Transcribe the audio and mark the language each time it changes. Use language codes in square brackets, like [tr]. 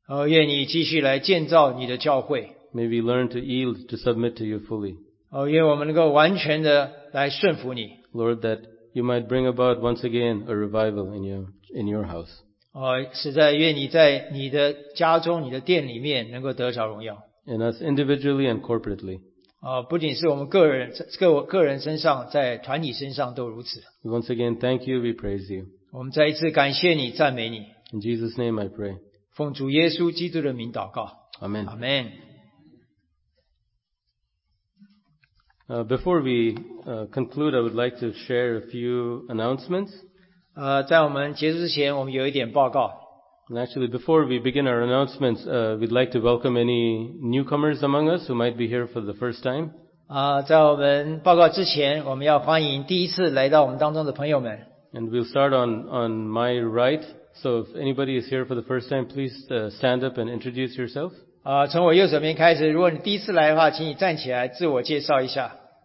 [zh] 愿你继续来建造你的教会。 [en] May we learn to yield to submit to you fully. [zh] 愿我们能够完全的来顺服你。 [en] Lord, that you might bring about once again a revival in your house. [zh] 实在愿你在你的家中、你的殿里面能够得着荣耀。 [en] In us individually and corporately. [zh] 不仅是我们个人身上，在团体身上都如此。 [en] Once again, thank you. We praise you. [zh] 我们再一次感谢你，赞美你。 [en] In Jesus' name, I pray. [zh] 奉主耶稣基督的名祷告。 [en] Amen. Amen. Before we conclude, I would like to share a few announcements. [zh] 在我们结束之前，我们有一点报告。 [en] And actually, before we begin our announcements, we'd like to welcome any newcomers among us who might be here for the first time. [zh] 在我们报告之前，我们要欢迎第一次来到我们当中的朋友们。 [en] And we'll start on my right. So if anybody is here for the first time, please stand up and introduce yourself. [zh] 从我右手边开始，如果你第一次来的话，请你站起来自我介绍一下。